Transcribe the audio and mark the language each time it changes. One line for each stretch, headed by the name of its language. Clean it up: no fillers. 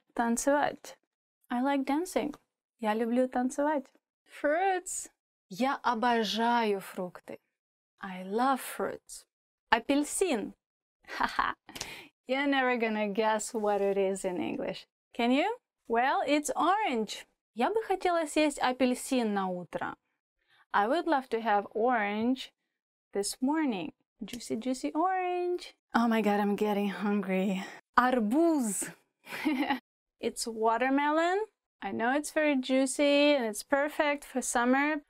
Russian: Танцевать.
English: I like dancing.
Russian: Я люблю танцевать.
English: Fruits.
Russian: Я обожаю фрукты.
English: I love fruits.
Russian: Апельсин.
English: Haha, you're never gonna guess what it is in English. Can you? Well, it's orange.
Russian: Я бы хотела съесть апельсин на утро.
English: I would love to have orange this morning. Juicy, juicy orange. Oh my god, I'm getting hungry. Арбуз. It's watermelon. I know it's very juicy and it's perfect for summer.